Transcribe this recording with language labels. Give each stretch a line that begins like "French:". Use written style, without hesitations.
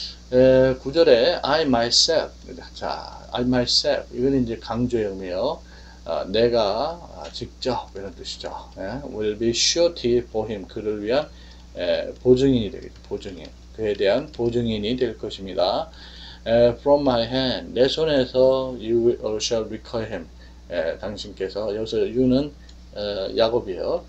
Korean: 9절에
English: I myself. 자, I myself.
Korean: 이건 이제 강조형이에요. 내가 직접 이런 뜻이죠.
English: Will be surety for him,
Korean: 그를 위한 보증인이 되겠죠. 보증인, 그에 대한 보증인이 될 것입니다.
English: From my hand,
Korean: 내 손에서
English: you shall require him.
Korean: 당신께서 여기서 you는 야곱이에요.